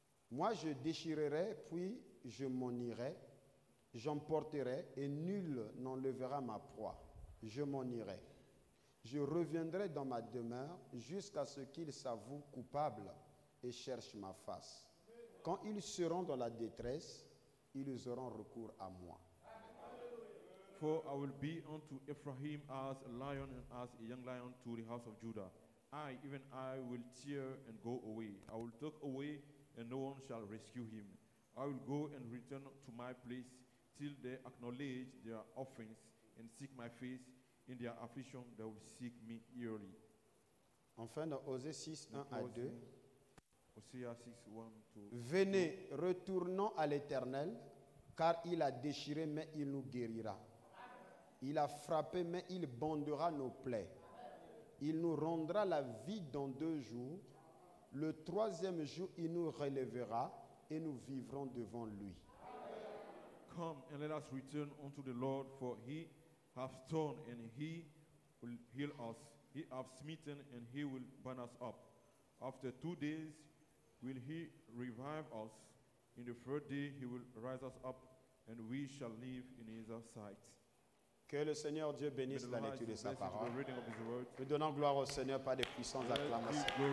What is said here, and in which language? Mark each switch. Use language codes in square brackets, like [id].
[fr] Moi je déchirerai, puis je m'en irai, j'emporterai, et nul n'enlèvera ma proie. Je m'en irai. Je reviendrai dans ma demeure jusqu'à ce qu'il s'avoue coupable et cherche ma face. Quand ils seront dans la détresse, ils auront recours à moi. [en] For I will be unto Ephraim as a lion and as a young lion to the house of Judah. I will tear and go away. I will talk away and no one shall rescue him. I will go and return to my place till they acknowledge their offense and seek my face. In their affliction, they will seek me yearly. [fr] Enfin, dans Hosea 6, 1 à 2. Hosea 6, 1, 2. Venez, retournons à l'Éternel, car il a déchiré, mais il nous guérira. Il a frappé, mais il bandera nos plaies. Il nous rendra la vie dans deux jours. Le troisième jour, il nous relèvera et nous vivrons devant lui. [en] Come and let us return unto the Lord, for he hath torn and he will heal us. He hath smitten and he will burn us up. After 2 days, will he revive us? In the third day, he will rise us up, and we shall live in his sight. [fr] Que le Seigneur Dieu bénisse la lecture de sa parole. Nous donnons gloire au Seigneur par des puissantes acclamations.